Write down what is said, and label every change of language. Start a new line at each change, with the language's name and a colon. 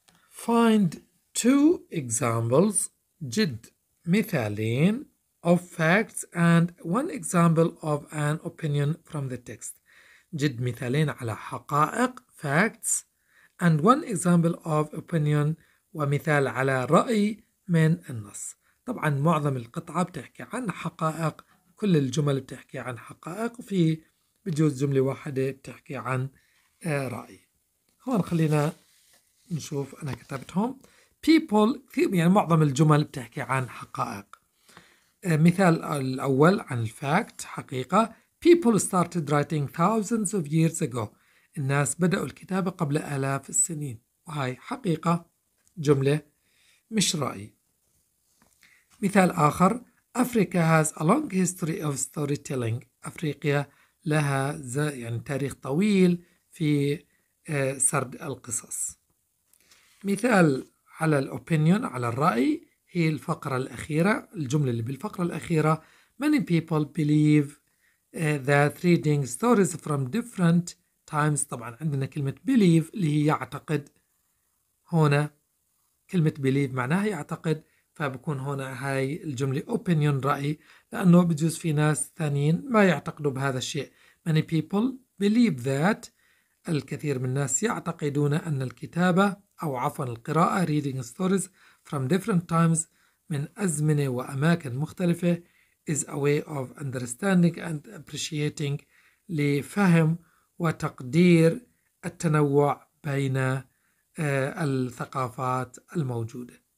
English: Find two examples,
Arabic: جد مثالين
English: of facts and one example of an opinion from the text.
Arabic: جد مثالين على حقائق
English: facts and one example of opinion
Arabic: ومثال على رأي من النص. طبعا معظم القطعة بتحكي عن حقائق، كل الجمل بتحكي عن حقائق، وفي بجوز جملة واحدة بتحكي عن رأي. هون خلينا نشوف أنا كتبتهم.
English: People
Arabic: يعني معظم الجمل بتحكي عن حقائق. مثال الأول عن الفاكت حقيقة.
English: People started writing thousands of years ago.
Arabic: الناس بدأوا الكتابة قبل آلاف السنين. وهي حقيقة جملة مش رأي. مثال آخر.
English: Africa has a long history of storytelling.
Arabic: أفريقيا لها يعني تاريخ طويل في سرد القصص. مثال على الأوبينيون على الرأي هي الفقرة الأخيرة، الجملة اللي بالفقرة الأخيرة.
English: Many people believe that reading stories from different times.
Arabic: طبعا عندنا كلمة believe اللي هي يعتقد، هنا كلمة believe معناها يعتقد، فبكون هنا هاي الجملة opinion رأي، لأنه بجوز في ناس ثانيين ما يعتقدوا بهذا الشيء.
English: Many people believe that،
Arabic: الكثير من الناس يعتقدون أن الكتابة أو عفوا القراءة
English: reading stories from different times
Arabic: من أزمنة وأماكن مختلفة
English: is a way of understanding and appreciating
Arabic: لفهم وتقدير التنوع بين الثقافات الموجودة.